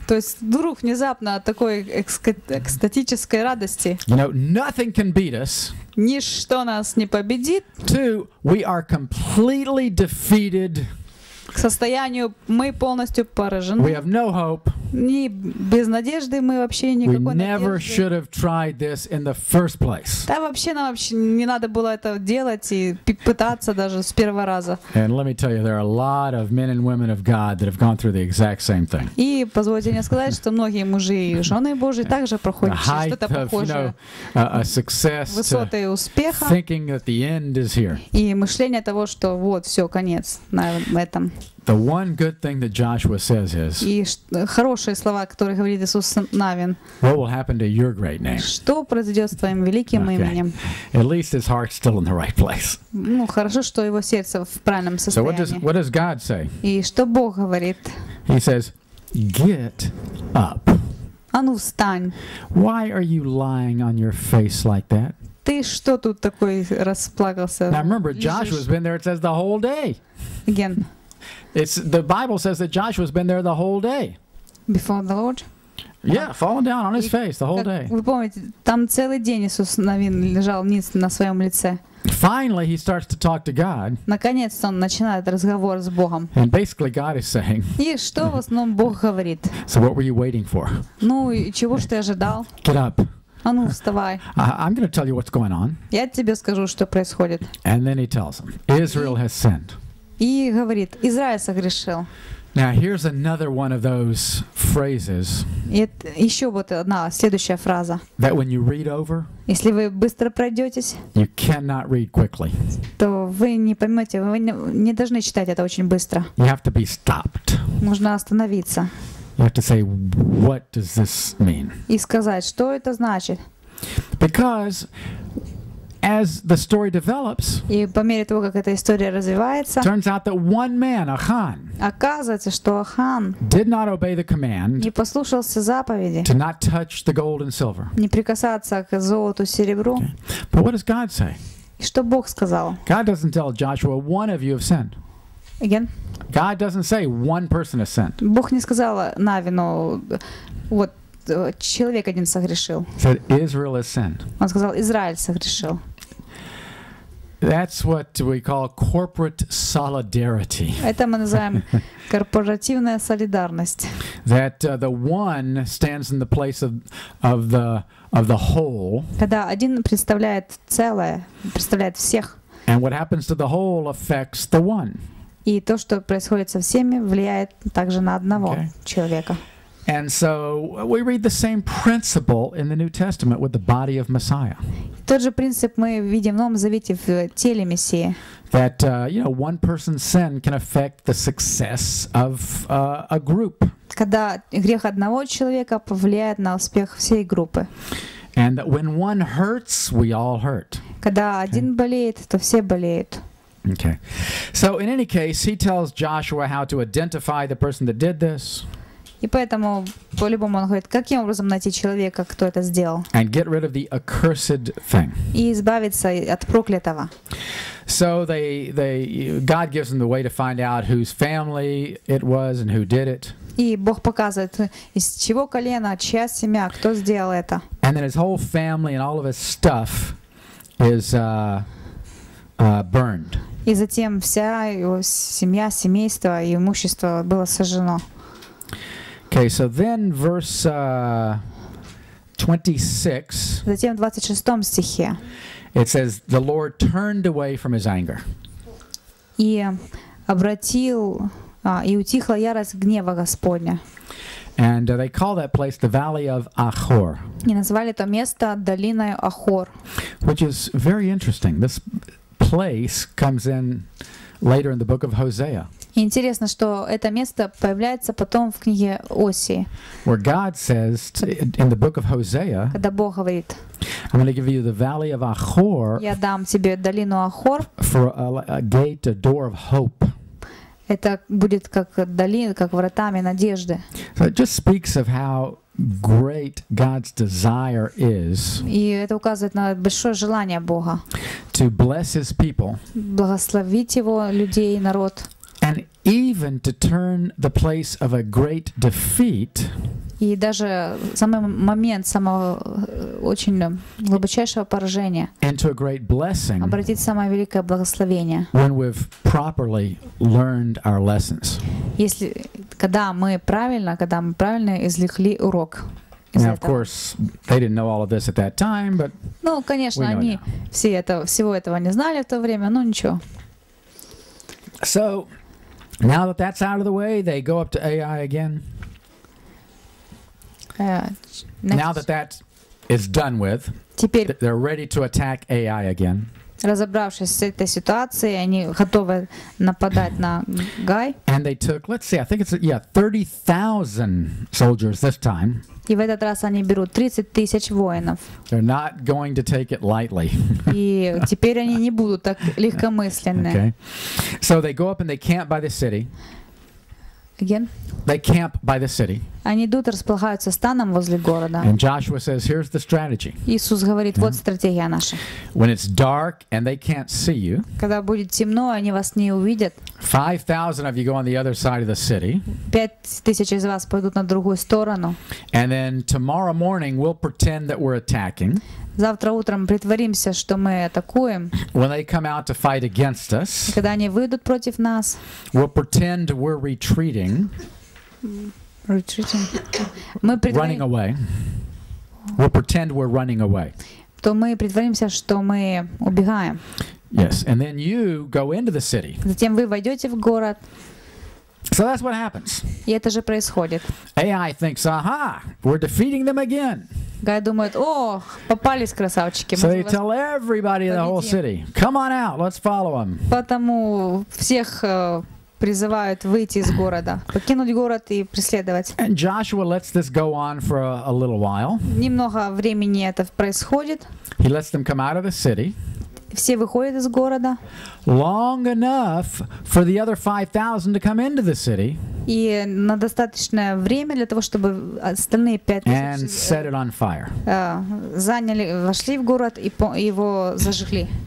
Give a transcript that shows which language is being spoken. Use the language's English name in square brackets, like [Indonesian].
[Russian] То есть вдруг внезапно от такой экстатической радости. [English] You know, nothing can beat us. [Russian] Ничто нас не победит. [English] To we are completely defeated. [Russian] К состоянию мы полностью поражены. [English] We have no hope. [Russian] Ни без надежды мы вообще никакой надежды. [English] We never should have tried this in the first place. [Russian] Да вообще нам вообще не надо было это делать и пытаться даже с первого раза. [English] And let me tell you, there are a lot of men and women of God that have gone through the exact same thing. [Russian] И позвольте мне сказать, что многие мужи и жены Божьи также проходят что-то похожее. Высоты успеха. [English] Thinking that the end is here. [Russian] И мышление того, что вот все конец на этом. [English] The one good thing that Joshua says is. [Russian] И хорошие слова, которые говорит Иисус Навин. [English] What will happen to your great name? [Russian] Что произойдет с твоим великим именем? [English] At least his heart's still in the right place. [Russian] Ну хорошо, что его сердце в правильном состоянии. [English] So what does God say? [Russian] И что Бог говорит? [English] He says, "Get up." [Russian] А ну встань. [English] Why are you lying on your face like that? [Russian] Ты что тут такой расплакался? [English] Now remember, Joshua's been there. It says the whole day. Again. It's the Bible says that Joshua's been there the whole day. Before the Lord? Yeah, fallen down on his face the whole day. [Russian] Вы помните, там целый день Иисус Навин лежал ниц на своем лице. [English] Finally, he starts to talk to God. [Russian] Наконец-то он начинает разговор с Богом. [English] And basically, God is saying. [Russian] И что в основном Бог говорит? [English] So what were you waiting for? [Russian] Ну и чего ж ты ожидал? [English] Get up. [Russian] А ну, вставай. [English] I'm going to tell you what's going on. [Russian] Я тебе скажу, что происходит. [English] And then he tells them, Israel has sinned. [Russian] И говорит, Израиль согрешил. [English] Now here's another one of those phrases. [Russian] Еще вот одна следующая фраза. [English] That when you read over, [Russian] если вы быстро пройдетесь, [English] you cannot read quickly. [Russian] То вы не поймете, вы не должны читать это очень быстро. [English] You have to be stopped. [Russian] Нужно остановиться. [English] You have to say, what does this mean? [Russian] И сказать, что это значит. [English] Because as the story develops, [Russian] и по мере того, как эта история развивается, [English] turns out that one man, Ахан, [Russian] оказывается, что Ахан [English] did not obey the command, [Russian] не послушался заповеди, [English] to not touch the gold and silver, [Russian] не прикасаться к золоту и серебру. [English] Okay. But what does God say? [Russian] И что Бог сказал? [English] God doesn't tell Joshua, one of you have sinned. Again? God doesn't say one person has sinned. [Russian] Бог не сказал Навину, вот человек один согрешил. [English] Said Israel has sinned. [Russian] Он сказал, Израиль согрешил. [English] That's what we call corporate solidarity. [Russian] Это мы называем корпоративная солидарность. [English] That the one stands in the place of the whole. [Russian] Когда один представляет целое, представляет всех. [English] And what happens to the whole affects the one. [Russian] И то, что происходит со всеми, влияет также на одного человека. [English] And so we read the same principle in the New Testament with the body of Messiah. [Russian] Тот же принцип мы видим в Новом Завете в теле Мессии. [English] That you know, one person's sin can affect the success of a group. [Russian] Когда грех одного человека повлияет на успех всей группы. [English] And that when one hurts, we all hurt. [Russian] Когда один болеет, то все болеют. [English] Okay. So in any case, he tells Joshua how to identify the person that did this. [Russian] И поэтому, по-любому, он говорит, каким образом найти человека, кто это сделал? [English] And get rid of the accursed thing. [Russian] И избавиться от проклятого. [English] So they God gives them the way to find out whose family it was and who did it. [Russian] И Бог показывает, из чего колено, чья семья, кто сделал это. [English] And then his whole family and all of his stuff is burned. [Russian] И затем вся его семья, семейство и имущество было сожжено. [English] Okay, so then verse 26. [Russian] Затем в 26-м стихе. [English] It says the Lord turned away from his anger. [Russian] И обратил и утихла ярость гнева Господня. [English] And they call that place the Valley of Achor. [Russian] И назвали это место долиной Ахор. [English] Which is very interesting. This place comes in later in the book of Hosea. [Russian] Интересно, что это место появляется потом в книге Осии. [English] Where God says in the book of Hosea, [Russian] когда Бог говорит, [English] I'm going to give you the valley of Achor, [Russian] я дам тебе долину Ахор, [English] for a gate, a door of hope. [Russian] Это будет как долина, как вратами надежды. [English] So it just speaks of how great God's desire is. [Russian] И это указывает на большое желание Бога. [English] To bless His people. [Russian] Благословить его людей и народ. [English] And even to turn the place of a great defeat. [Russian] И даже самый момент самого очень глубочайшего поражения. [English] Into a great blessing. [Russian] Обратить самое великое благословение. [English] When we've properly learned our lessons. [Russian] Если когда мы правильно извлекли урок. [English] Now, of course, they didn't know all of this at that time, but. [Russian] Ну, конечно, они всего этого не знали в то время, но ничего. [English] So. Now that that's out of the way, they go up to Ai again. Now that is done with, they're ready to attack Ai again. [Russian] Разобравшись с этой ситуацией, они готовы нападать на Гай. [English] And they took, let's see, I think it's 30,000 soldiers this time. [Russian] И в этот раз они берут 30,000 воинов. [English] They're not going to take it lightly. [Russian] И теперь они не будут так легкомысленны. [English] Okay. So they go up and they camp by the city. Again? They camp by the city. [Russian] Они идут, располагаются станом возле города. [English] And Joshua says, "Here's the strategy." [Russian] Иисус говорит, вот стратегия наша. [English] When it's dark and they can't see you. [Russian] Когда будет темно, они вас не увидят. [English] 5,000 of you go on the other side of the city. [Russian] 5,000 из вас пойдут на другую сторону. [English] And then tomorrow morning we'll pretend that we're attacking. [Russian] Завтра утром притворимся, что мы атакуем. [English] When they come out to fight against us. [Russian] Когда они выйдут против нас. [English] We'll pretend we're retreating. Retreating. Running away. we'll pretend we're running away. [Russian] То мы притворимся, что мы убегаем. [English] Yes, and then you go into the city. [Russian] Затем вы войдете в город. [English] So that's what happens. [Russian] И это же происходит. [English] AI thinks, aha, we're defeating them again. [Russian] Гай думает, о, попались красавчики. [English] So they tell everybody in the whole city, come on out, let's follow them. [Russian] Потому всех призывают выйти из города, покинуть город и преследовать. [English] And Joshua lets this go on for a little while. [Russian] Немного времени это происходит. [English] He lets them come out of the city. [Russian] Все выходят из города. [English] Long enough for the other 5,000 to come into the city. [Russian] И на достаточное время для того, чтобы остальные 5,000. [English] And set it on fire. [Russian] Заняли, вошли в город и его зажгли.